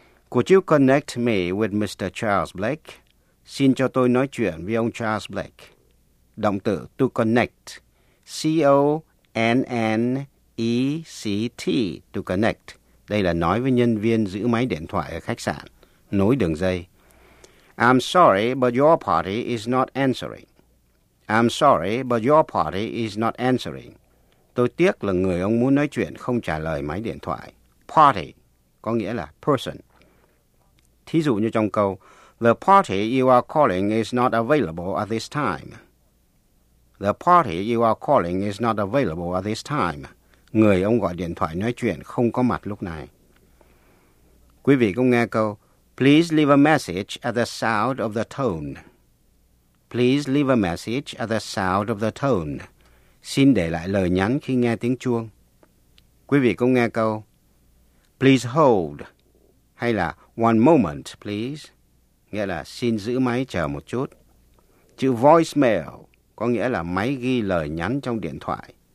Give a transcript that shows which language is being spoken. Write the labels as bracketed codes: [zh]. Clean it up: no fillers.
[en] Could you connect me with Mr. Charles Blake? [vi] Xin cho tôi nói chuyện với ông Charles Blake. Động từ [en] to connect. C-O-N-N-E-C-T, to connect. [vi] Đây là nói với nhân viên giữ máy điện thoại ở khách sạn. Nối đường dây. [en] I'm sorry, but your party is not answering. I'm sorry, but your party is not answering. [vi] Tôi tiếc là người ông muốn nói chuyện không trả lời máy điện thoại. Party có nghĩa là person. Thí dụ như trong câu, [en] the party you are calling is not available at this time. The party you are calling is not available at this time. [vi] Người ông gọi điện thoại nói chuyện không có mặt lúc này. Quý vị cũng nghe câu, [en] please leave a message at the sound of the tone. Please leave a message at the sound of the tone. [vi] Xin để lại lời nhắn khi nghe tiếng chuông. Quý vị cũng nghe câu, [en] please hold, [vi] hay là [en] one moment, please, [vi] nghĩa là xin giữ máy chờ một chút. Chữ voicemail có nghĩa là máy ghi lời nhắn trong điện thoại.